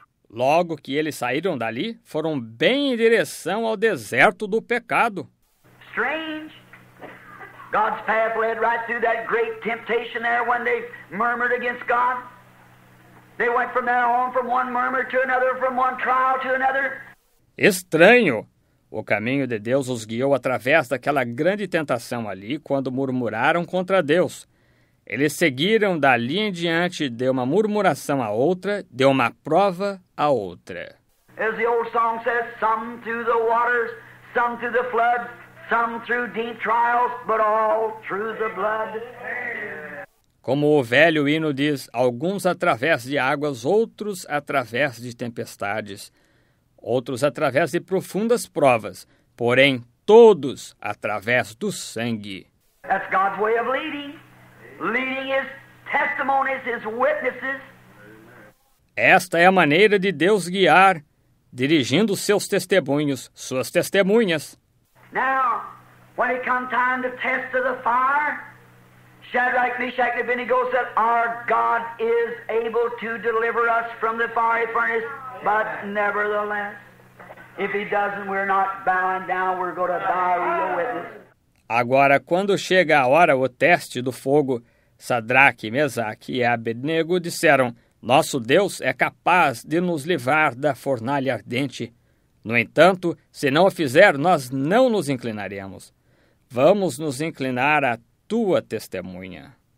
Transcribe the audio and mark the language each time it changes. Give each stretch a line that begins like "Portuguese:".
Portuguese: Logo que eles saíram dali, foram bem em direção ao deserto do pecado.
English: Strange. God's path led right through that great temptation there when they murmured against God. They went from there on from one murmur to another, from one trial to another.
Portuguese: Estranho. O caminho de Deus os guiou através daquela grande tentação ali quando murmuraram contra Deus. Eles seguiram dali em diante de uma murmuração a outra, de uma prova a outra.
English: As the old song says, some through the waters, some through the flood, some through deep trials, but all through the blood.
Portuguese: Como o velho hino diz, alguns através de águas, outros através de tempestades, outros através de profundas provas, porém todos através do sangue.
English: That's God's way of leading. Leading his testimonies, his witnesses.
Portuguese: Esta é a maneira de Deus guiar, dirigindo seus testemunhos, suas testemunhas.
English: Now, when it comes time to test of the fire, Shadrach, Meshach, and Abednego said, our God is able to deliver us from the fiery furnace, but nevertheless, if he doesn't, we're not bowing down, we're going to die real witness.
Portuguese: Agora, quando chega a hora, o teste do fogo, Sadraque, Mesaque e Abednego disseram, nosso Deus é capaz de nos livrar da fornalha ardente. No entanto, se não o fizer, nós não nos inclinaremos. Vamos nos inclinar à tua testemunha.